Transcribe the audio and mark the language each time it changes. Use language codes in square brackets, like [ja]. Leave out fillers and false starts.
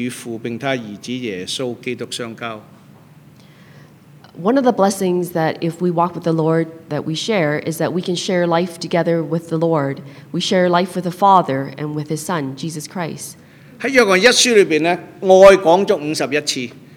[yue] 我們將所看見、所聽見嘅傳給你們，使你們與我們相交。我們乃是與父並他兒子耶穌基督相交。 [en] One of the blessings that if we walk with the Lord that we share is that we can share life together with the Lord. We share life with the Father and with His Son, Jesus Christ. [yue] 喺約翰一書裏邊咧，愛講咗51次。